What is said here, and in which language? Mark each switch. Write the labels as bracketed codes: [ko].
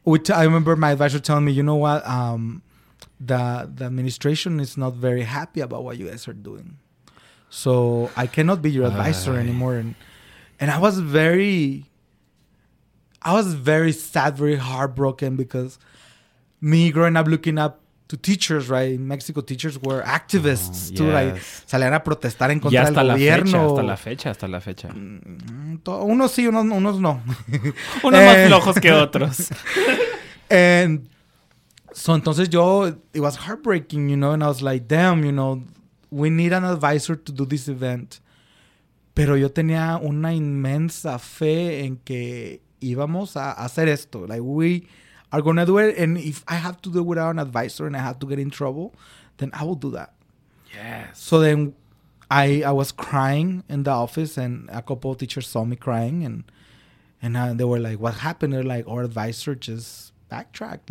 [en] I remember my advisor telling me, you know what, the administration is not very happy about what you guys are doing. So I cannot be your advisor anymore. And I was very sad, very heartbroken, because me growing up looking up to teachers, right? Mexico teachers were activists too. [es] Like, salían a protestar en contra del gobierno. Fecha, hasta la fecha. Unos sí, unos no. Unos más flojos que otros. [en] And so [es] entonces yo, [en] it was heartbreaking, you know, and I was like, damn, you know, we need an advisor to do this event. [es] Pero yo tenía una inmensa fe en que íbamos a hacer esto. [en] Like, we are going to do it. And if I have to do it without an advisor and I have to get in trouble, then I will do that. Yes. So then I was crying in the office, and a couple of teachers saw me crying. And they were like, what happened? They're like, our advisor just backtracked.